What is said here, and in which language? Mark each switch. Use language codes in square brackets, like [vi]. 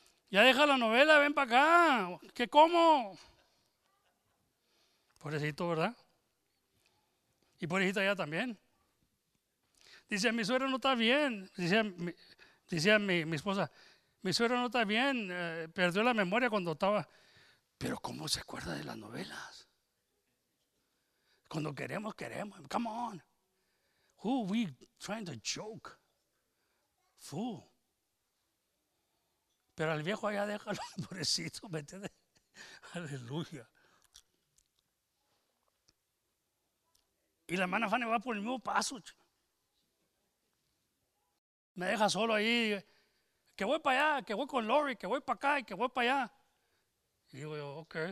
[es] Ya deja la novela, ven para acá. ¿Qué como? Pobrecito, ¿verdad? Y pobrecita allá también. Dice, mi suegro no está bien. Dice mi esposa, mi suegro no está bien. Perdió la memoria cuando estaba. Pero ¿cómo se acuerda de las novelas? Cuando queremos, queremos. [en] Come on. Who are we trying to joke? Fool. [es] Pero al viejo allá déjalo, pobrecito. Métete. Aleluya. Y la hermana Fanny va por el mismo paso. Me deja solo ahí. Que voy para allá, que voy con Lori, que voy para acá y que voy para allá. Y digo yo, ok.